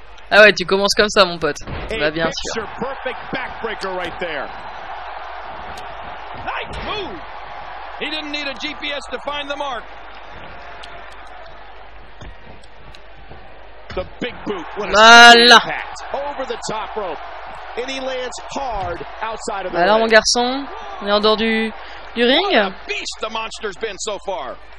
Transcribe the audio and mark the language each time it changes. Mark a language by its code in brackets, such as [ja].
[fr] Ah ouais, tu commences comme ça, mon pote. Bah bien sûr. [en] Perfect backbreaker right there. Nice move. He didn't need a GPS to find the mark. The big boot. Voilà. Over the top rope. And he lands hard outside of the ring. [fr] Alors mon garçon, on est en dehors du ring. [en] What a beast the monster's been so far.